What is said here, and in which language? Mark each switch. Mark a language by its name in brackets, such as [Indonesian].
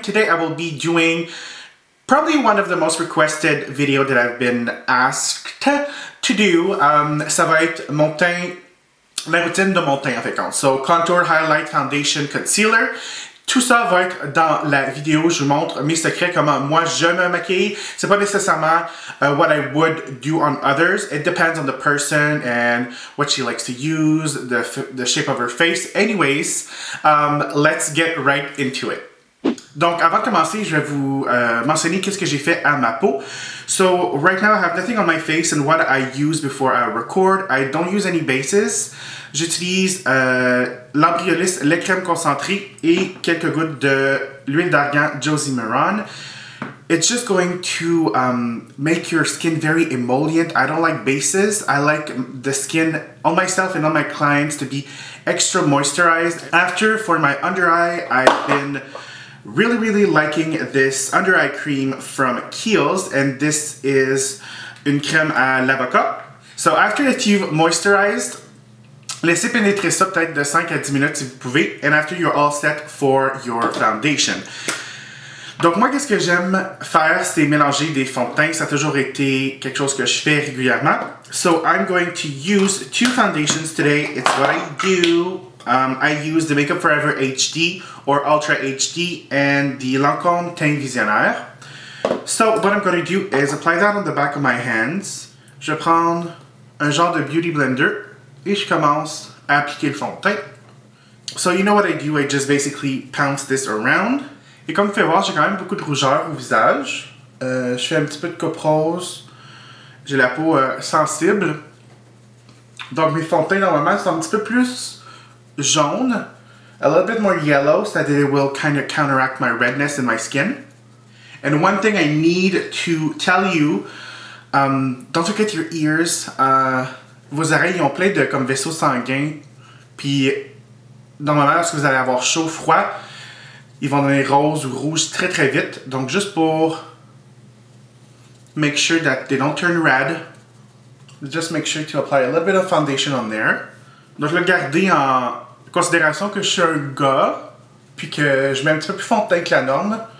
[English] Today I will be doing probably one of the most requested videos that I've been asked to do. [French] Ça va être mon teint, la routine de mon teint en fait. [English] So contour, highlight, foundation, concealer. [French] Tout ça va être dans la vidéo. Je vous montre mes secrets, comment moi je me maquille. C'est pas nécessairement [English] what I would do on others. It depends on the person and what she likes to use, the shape of her face. Anyways, let's get right into it. [French] Donc avant de commencer, je vais vous mentionner qu'est-ce que j'ai fait à ma peau. [English] So right now I have nothing on my face and what I use before I record. I don't use any bases. [French] J'utilise l'embryoliste, les crèmes concentrées et quelques gouttes de l'huile d'argan Josie Maron. [English] It's just going to make your skin very emollient. I don't like bases. I like the skin on myself and on my clients to be extra moisturized. After, for my under eye, I've been really, really liking this under eye cream from Kiehl's, and this is [French] une crème à l'avocat. [English] So after that you've moisturized, [French] laissez pénétrer ça peut-être de 5 à 10 minutes si vous pouvez, [English] and after you're all set for your foundation. [French] Donc moi, qu'est-ce que j'aime faire, c'est mélanger des fonds de teint. Ça a toujours été quelque chose que je fais régulièrement. [English] So I'm going to use two foundations today. It's what I do. I use the Makeup Forever HD or Ultra HD and the Lancôme Teint Visionnaire. So what I'm going to do is apply that on the back of my hands. [French] Je prends un genre de beauty blender et je commence à appliquer le fond de teint. [English] So you know what I do, I just basically pounce this around. [French] Et comme vous pouvez voir, j'ai quand même beaucoup de rougeur au visage. Je fais un petit peu de coupe rose. J'ai la peau sensible. Donc mes fonds de teint normalement sont un petit peu plus jaune, [English] a little bit more yellow, so that it will kind of counteract my redness in my skin. And one thing I need to tell you, don't forget your ears. [French] Vos oreilles ils ont plein de comme vaisseaux sanguins. Puis normalement, lorsque vous allez avoir chaud, froid, ils vont donner rose ou rouge très très vite. Donc juste pour [English] make sure that they don't turn red, just make sure to apply a little bit of foundation on there. [French] Donc, je vais le garder en considération que je suis un gars, puis que je mets un petit peu plus fond de teint que la norme.